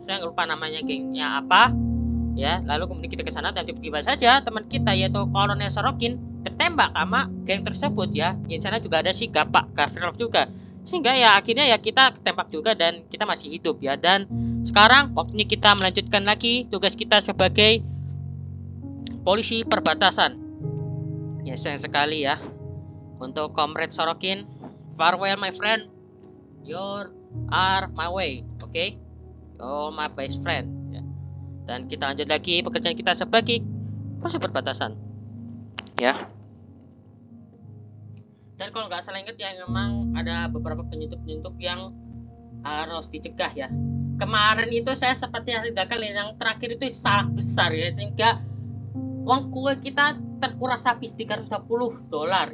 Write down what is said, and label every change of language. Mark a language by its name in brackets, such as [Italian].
[Indonesian] Saya lupa namanya gengnya apa, ya. Lalu kemudian kita ke sana dan tiba-tiba saja teman kita yaitu Kolonel Sorokin tertembak sama geng tersebut, ya. Di sana juga ada si Pak Gavrilov juga, sehingga ya akhirnya ya kita ketembak juga dan kita masih hidup, ya. Dan sekarang waktunya kita melanjutkan lagi tugas kita sebagai polisi perbatasan, ya. Sayang sekali ya untuk Komrade Sorokin. [English] Farewell my friend, your are my way, oke, okay? Oh my best friend, ya. [Indonesian] Dan kita lanjut lagi pekerjaan kita sebagai polisi perbatasan, ya. Dan kalau nggak salah ingat ya, memang ada beberapa penyelundup-penyelundup yang harus dicegah, ya. Kemarin itu saya sepertinya gagal, yang terakhir itu salah besar, ya, sehingga uang kue kita terkuras habis $310.